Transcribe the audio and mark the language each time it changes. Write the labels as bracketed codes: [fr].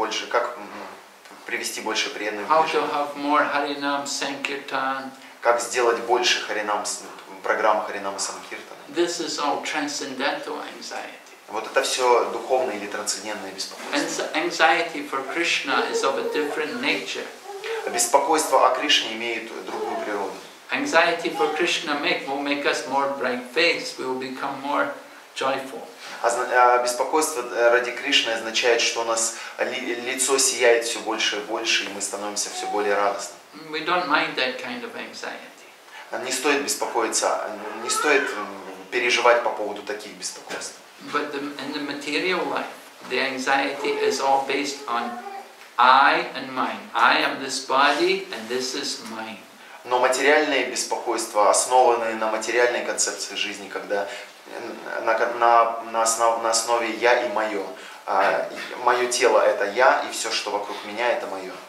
[ru] Как привести больше преданных? [en] How to have more Харинам Санкиртан? [ru] Как сделать больше Харинам, программ Харинама Санкиртана? [en] This is all transcendental anxiety. [ru] Вот это все духовное или трансцендентное беспокойство. [en] And anxiety for Krishna is of a different nature. [ru] Беспокойство о Кришне имеет другую природу. [en] Anxiety for Krishna will make us more bright faced. We will become more joyful. [ru] Беспокойство ради Кришны означает, что у нас лицо сияет все больше и больше, и мы становимся все более радостными. [en] We don't mind that kind of anxiety. [ru] Не стоит беспокоиться, не стоит переживать по поводу таких беспокойств. [en] But in the material life, the anxiety is all based on I and mine. I am this body and this is mine. [ru] Но материальные беспокойства основаны на материальной концепции жизни, когда на основе я и мое. Мое тело это я и все, что вокруг меня это мое.